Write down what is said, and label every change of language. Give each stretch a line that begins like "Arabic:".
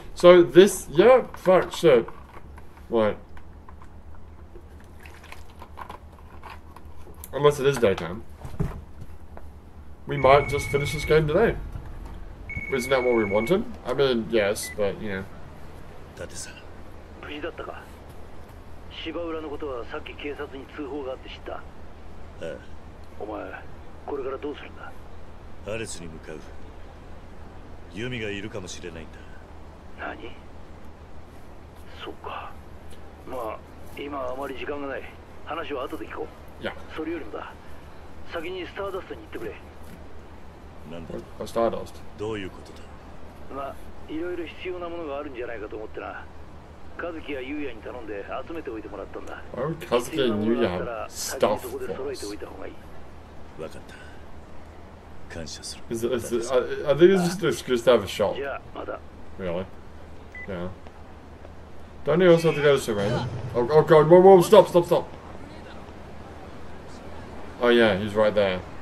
English: So this, yeah, fuck, shit. What? Unless it is daytime. We might just finish this game today. Isn't that what we wanted? I mean, yes, but, you know.
Japanese: ったでさ。無事だったか。芝浦のことはさっき警察に通報があって知った。ああ。お前これからどうするんだ。アレスに向かう。ユミがいるかもしれないんだ。何？そっか。まあ今はあまり時間がない。話は後で聞こう。いや、それよりもだ、先にスターダストに行ってくれ。なんだ？スターダスト、どういうことだ？まあいろいろ必要なものがあるんじゃないかと思ってな。カズキやユウヤに頼んで集めておいてもらったんだ。カズキやユウヤはスタッフで揃えておいた方がいい。わかった。感謝する。
English: I think it's just an excuse to have a shot. Yeah, まだ。 Really? Yeah. Don't you also have to go to the range? Oh god, whoa, whoa, stop, stop, stop. Oh yeah, he's right there.